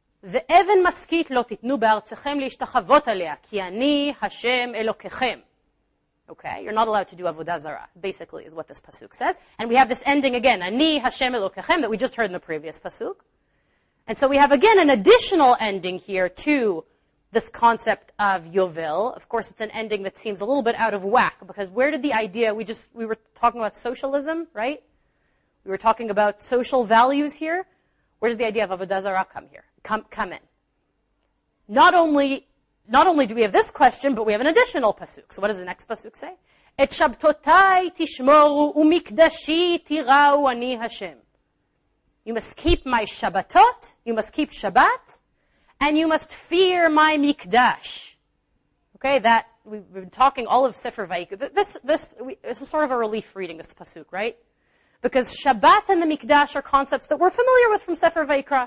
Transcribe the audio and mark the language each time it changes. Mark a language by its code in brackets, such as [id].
[he] ואבן מסכית לא תיתנו בארצכם להשתחוות עליה, כי אני השם אלוקיכם. [en] Okay, you're not allowed to do avodah zarah, basically is what this pasuk says. And we have this ending again, אני השם אלוקיכם, that we just heard in the previous pasuk. And so we have again an additional ending here to this concept of Yovel. Of course, it's an ending that seems a little bit out of whack, because where did the idea, we were talking about socialism, right? We were talking about social values here. Where does the idea of avodah zarah come here? Come in. Not only do we have this question, but we have an additional pasuk. So what does the next pasuk say? [he] את שבתותיי תשמורו ומקדשי תיראו אני השם. [en] You must keep my Shabbatot, you must keep Shabbat, and you must fear my Mikdash. Okay, that we've been talking all of Sefer Vayikra. This is sort of a relief reading, this pasuk, right? Because Shabbat and the Mikdash are concepts that we're familiar with from Sefer Vayikra.